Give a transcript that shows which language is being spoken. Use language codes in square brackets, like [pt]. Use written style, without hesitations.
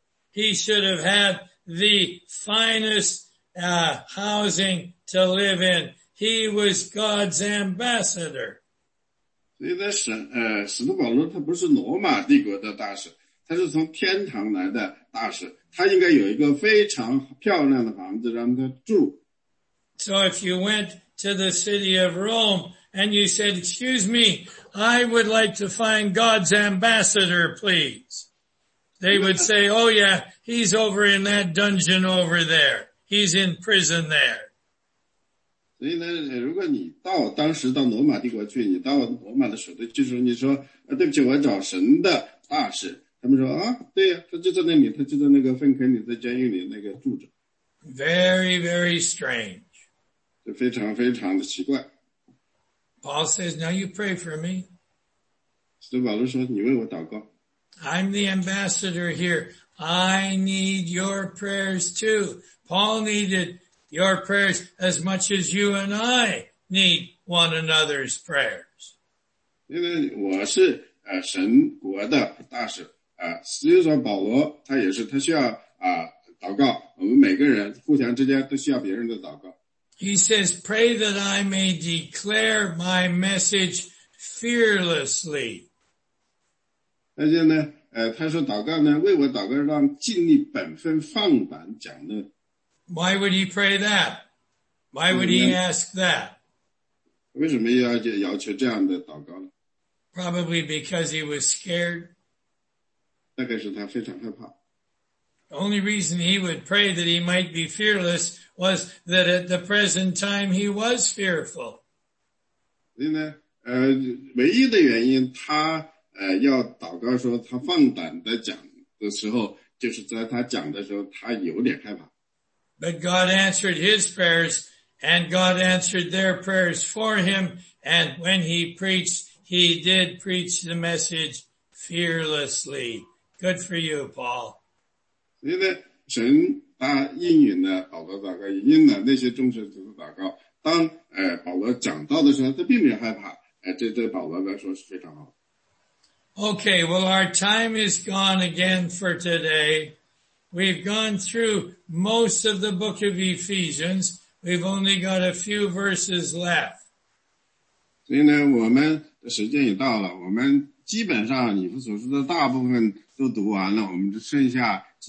[en] He should have had the finest, housing to live in. He was God's ambassador. [zh] 所以在使徒保罗他不是罗马帝国的大使，他是从天堂来的大使，他应该有一个非常漂亮的房子让他住。 [en] So if you went to the city of Rome and you said, excuse me, I would like to find God's ambassador, please. They would say, oh yeah, he's over in that dungeon over there. He's in prison there. [zh] 所以呢，如果你到当时到罗马帝国去，你到罗马的首都去说，你说，对不起，我找神的大使。他们说，啊，对呀，他就在那里，他就在那个粪坑里，在监狱里那个住着。 [en] Very, very strange. [zh] 就非常非常的奇怪。 [en] Paul says, now you pray for me. [zh] 使徒保罗说你为我祷告。 [en] I'm the ambassador here. I need your prayers too. Paul needed your prayers as much as you and I need one another's prayers. [zh] 因为我是神国的大使。使徒保罗他也是他需要祷告。我们每个人互相之间都需要别人的祷告。 [en] He says, pray that I may declare my message fearlessly. [zh] 而且呢，他说祷告呢，为我祷告，让尽力本分放胆讲论。 [en] Why would he pray that? Why would he ask that? [zh] 为什么要求这样的祷告呢？ [en] Probably because he was scared. [zh] 大概是他非常害怕。 [en] The only reason he would pray that he might be fearless was that at the present time he was fearful. [zh] 所以呢，唯一的原因他要祷告说他放胆的讲的时候，就是在他讲的时候他有点害怕。 [en] But God answered his prayers, and God answered their prayers for him, and when he preached, he did preach the message fearlessly. Good for you, Paul. [zh] 所以呢，神他应允了保罗祷告，也应了那些众使徒的祷告。当保罗讲到的时候，他并没有害怕。这对保罗来说是非常好。 [en] Okay, well, our time is gone again for today. We've gone through most of the book of Ephesians. We've only got a few verses left. [zh] 所以呢，我们的时间也到了。我们基本上以弗所书的大部分都读完了，我们就剩下。